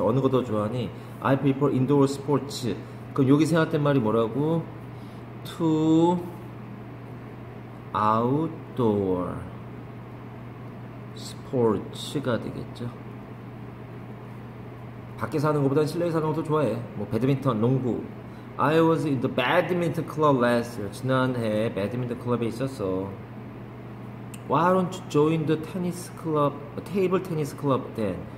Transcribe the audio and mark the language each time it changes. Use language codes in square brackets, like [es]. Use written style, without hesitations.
[ko] 어느 거더 좋아하니? [en] I prefer indoor sports. [ko] 그럼 여기 생각된 말이 뭐라고? [en] To outdoor sports가 [ko] 되겠죠. 밖에서 하는 것보다 실내에서 하는 것도 좋아해. 뭐 배드민턴, 농구. [en] I was in the badminton club last year. [ko] 지난해 배드민턴 클럽에 있었어. [en] Why don't you join the tennis club, table tennis club then?